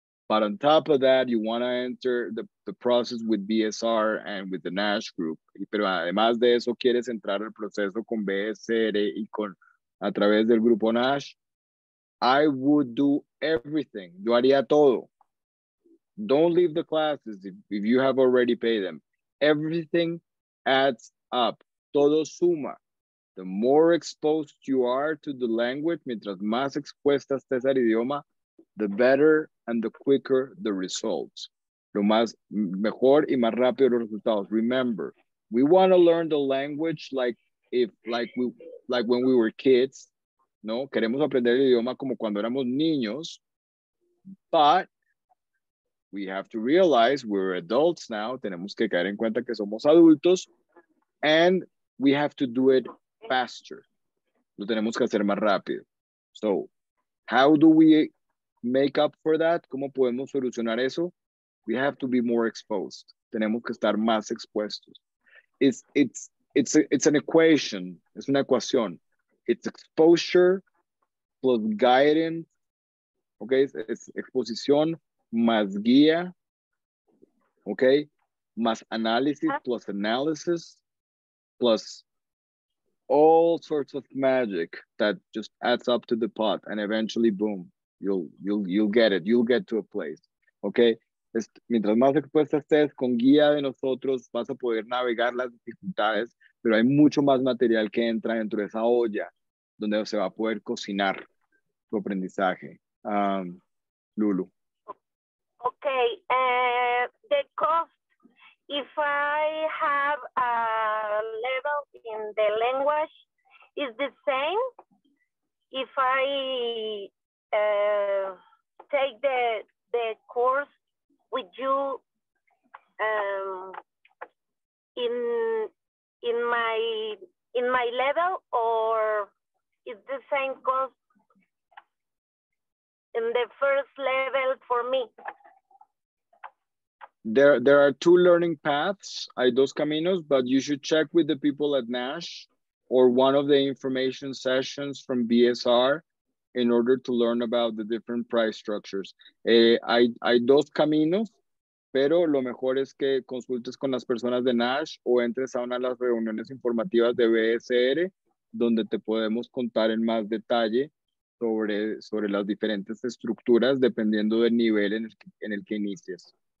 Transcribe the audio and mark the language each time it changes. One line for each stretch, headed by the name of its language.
English: But on top of that, you want to enter the process with BSR and with the NASH group.
Spanish: Pero además de eso, quieres entrar al proceso con BSR y con a través del grupo NASH.
English: I would do everything.
Spanish: Yo haría todo.
English: Don't leave the classes if you have already paid them. Everything adds up.
Spanish: Todo suma.
English: The more exposed you are to the language,
Spanish: mientras más expuesta estés al idioma,
English: the better and the quicker the results.
Spanish: Lo más mejor y más rápido los resultados.
English: Remember, we want to learn the language like when we were kids.
Spanish: ¿no? Queremos aprender el idioma como cuando éramos niños,
English: but we have to realize we're adults now.
Spanish: Tenemos que caer en cuenta que somos adultos,
English: and we have to do it faster.
Spanish: Lo tenemos que hacer más rápido.
English: So, how do we make up for that?
Spanish: ¿Cómo podemos solucionar eso?
English: We have to be more exposed.
Spanish: Tenemos que estar más expuestos.
English: It's an equation.
Spanish: Es una ecuación.
English: It's exposure plus guidance.
Spanish: Okay, es exposición más guía.
English: Okay,
Spanish: más análisis
English: plus analysis plus all sorts of magic that just adds up to the pot, and eventually, boom, you'll get it. You'll get to a place. Okay.
Spanish: Mientras más expuesta estés con guía de nosotros, vas a poder navegar las dificultades, pero hay mucho más material que entra dentro de esa olla donde se va a poder cocinar tu aprendizaje. Lulu.
English: Okay, the cost, if I have a level in the language, is the same if I take the course with you in my level, or is the same cost in the first level for me? There are two learning paths,
Spanish: hay dos caminos,
English: but you should check with the people at NASH or one of the information sessions from BSR in order to learn about the different price structures.
Spanish: Hay dos caminos, pero lo mejor es que consultes con las personas de NASH o entres a una de las reuniones informativas de BSR, donde te podemos contar en más detalle sobre las diferentes estructuras dependiendo del nivel en el que inicies.